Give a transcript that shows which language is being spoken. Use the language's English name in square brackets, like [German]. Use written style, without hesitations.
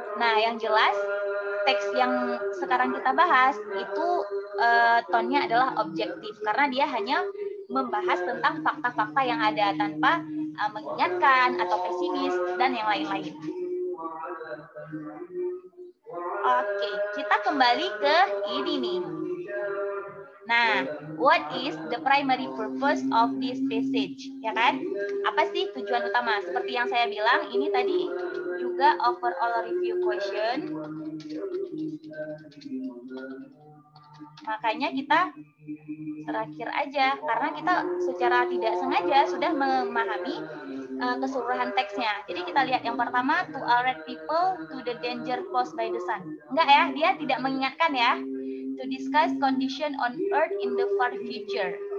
[Indonesian] Nah, yang jelas teks yang sekarang kita bahas itu tone-nya adalah objektif, karena dia hanya membahas tentang fakta-fakta yang ada tanpa mengingatkan atau pesimis dan yang lain-lain. Oke, kita kembali ke ini nih. [English] Nah, what is the primary purpose of this passage? [Indonesian] Ya kan? Apa sih tujuan utama? Seperti yang saya bilang, ini tadi juga [English] overall review question. [Indonesian] Makanya kita terakhir aja, karena kita secara tidak sengaja sudah memahami keseluruhan teksnya. Jadi kita lihat yang pertama, [English] to alert people to the danger posed by the sun. [Indonesian] Enggak ya, dia tidak mengingatkan ya. [English] To discuss condition on earth in the far future.